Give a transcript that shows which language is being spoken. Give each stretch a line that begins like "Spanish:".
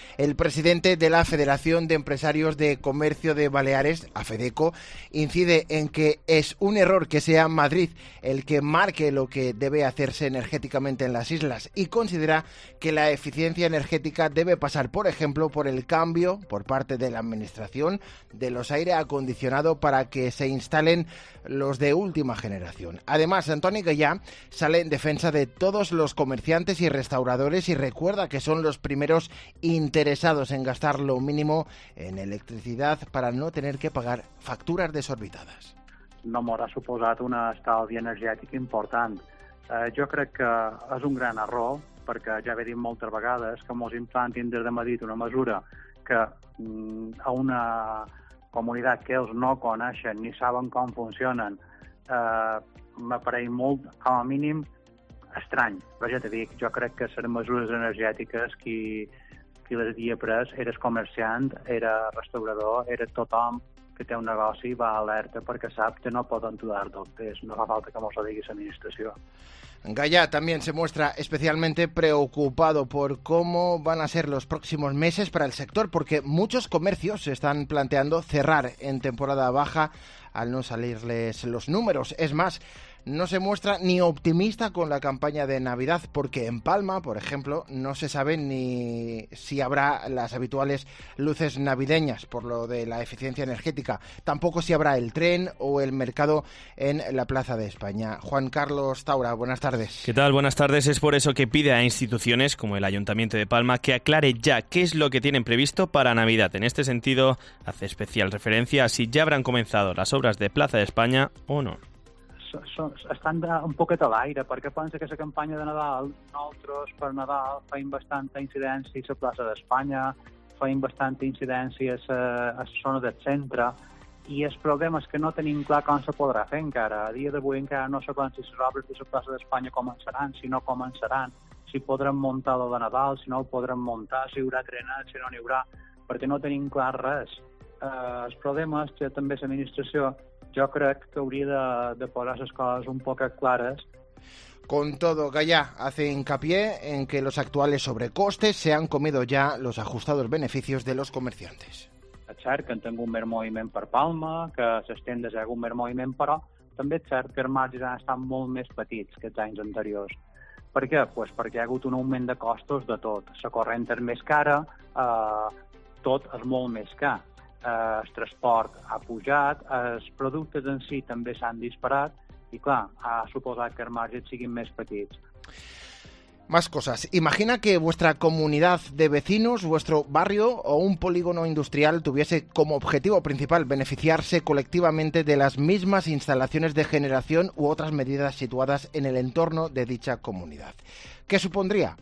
Spanish: El presidente de la Federación de Empresarios de Comercio de Baleares, AFEDECO, incide en que es un error que sea Madrid el que marque lo que debe hacerse energéticamente en las islas y considera que la eficiencia energética debe pasar, por ejemplo, por el cambio por parte de la administración de los aire acondicionado para que se instalen los de última generación. Además, Antonio Gallardo sale en defensa de todos los comerciantes y restauradores y recuerda que son los primeros interesados en gastar lo mínimo en electricidad para no tener que pagar facturas desorbitadas.
Catalan: No m'haurà suposat un estalvi energètic important. Jo crec que és un gran error, perquè ja he dit moltes vegades que mos implantin des de Madrid una mesura que a una comunitat que ells no coneixen ni saben com funcionen, m'apareix molt, com a mínim, estrany. Però ja t'ho dic, jo crec que les mesures energètiques qui les havia pres, eres comerciant, era restaurador, era tothom que té un negoci, va alerta perquè sap que no poden donar dubtes. No fa falta que mos ho digui l'administració.
Spanish: Gallà también se muestra especialmente preocupado por cómo van a ser los próximos meses para el sector, porque muchos comercios se están planteando cerrar en temporada baja al no salirles los números. Es más, no se muestra ni optimista con la campaña de Navidad, porque en Palma, por ejemplo, no se sabe ni si habrá las habituales luces navideñas por lo de la eficiencia energética. Tampoco si habrá el tren o el mercado en la Plaza de España. Juan Carlos Taura, buenas tardes. ¿Qué tal? Buenas tardes. Es por eso que pide a instituciones como el Ayuntamiento de Palma que aclare ya qué es lo que tienen previsto para Navidad. En este sentido, hace especial referencia a si ya habrán comenzado las obras de Plaza de España o no.
Catalan: Estan un poquet a l'aire, perquè pensa que la campanya de Nadal, nosaltres per Nadal feim bastanta incidència a la Plaça d'Espanya, feim bastanta incidència a la zona del centre, i el problema és que no tenim clar com se podrà fer encara. A dia d'avui encara no sabem si les obres de la Plaça d'Espanya començaran, si no començaran, si podrem muntar lo de Nadal, si no ho podrem muntar, si hi haurà trenat, si no n'hi haurà, perquè no tenim clar res. El problema és que també l'administració jo crec que hauria de posar les coses un poc clares.
Spanish: Con todo, Gallà hace hincapié en que los actuales sobrecostes se han comido ya los ajustados beneficios de los comerciantes.
Catalan: És cert que han tingut més moviment per Palma, que les tendes hi ha hagut més moviment, però també és cert que els marges han estat molt més petits que els anys anteriors. Per què? Pues perquè hi ha hagut un augment de costos de tot. La corrent és més cara, tot és molt més car. El transport ha pujat, els productes en si també s'han disparat i, clar, ha suposat que els marges siguin més petits.
Spanish: Más cosas. Imagina que vuestra comunidad de vecinos, vuestro barrio o un polígono industrial tuviese como objetivo principal beneficiarse colectivamente de las mismas instalaciones de generación u otras medidas situadas en el entorno de dicha comunidad. ¿Qué supondría?